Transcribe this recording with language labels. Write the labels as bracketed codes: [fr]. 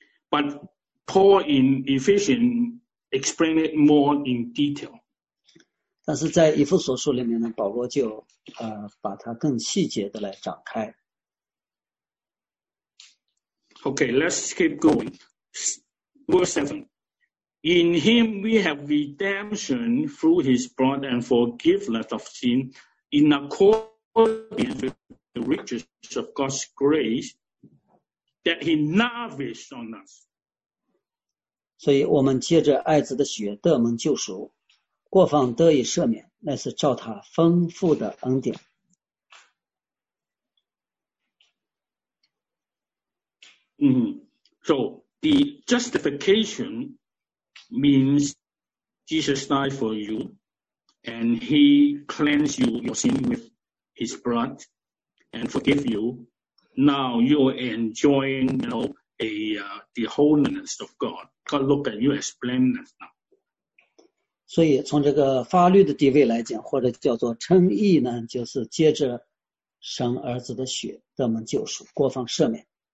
[en] But Paul in Ephesians explained it more in detail. [zh] 但是在以弗所书里面呢，保罗就把它更细节的来展开。 [en] Okay, let's keep going. Verse 7. In him we have redemption through his blood and forgiveness of sin in accordance with the riches of God's grace that he lavished on us. [zh] 所以我们借着爱子的血得蒙救赎。过犯得以赦免，那是照他丰富的恩典。 [en] So the justification means Jesus died for you, and he cleansed you your sin with his blood, and forgive you. Now you are enjoying, you know, the holiness of God. God look at you as blameless now. [zh] 所以从这个法律的地位来讲，或者叫做称义呢，就是接着神儿子的血得蒙救赎，过犯赦免。